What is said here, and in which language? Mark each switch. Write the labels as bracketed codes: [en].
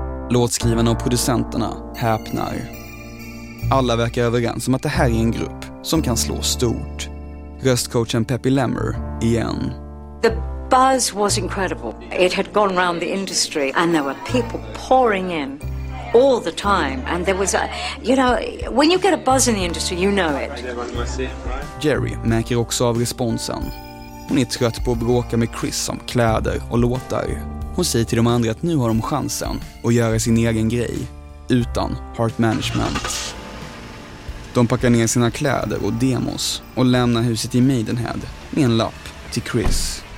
[sv] Låtskrivarna och producenterna häpnar. Alla verkar överens om att det här är en grupp som kan slå stort. Röstcoachen Peppy Lemmer igen. [en] The buzz was incredible. It had gone round the industry and there were people pouring in all the time. And there was a, you know, when you get a buzz in the industry, you know it. [sv] Jerry märker också av responsen. Hon är trött på att bråka med Chris om kläder och låtar. Hon säger till de andra att nu har de chansen att göra sin egen grej utan Heart Management. De packar ner sina kläder och demos och lämnar huset i Maidenhead med en lapp till Chris.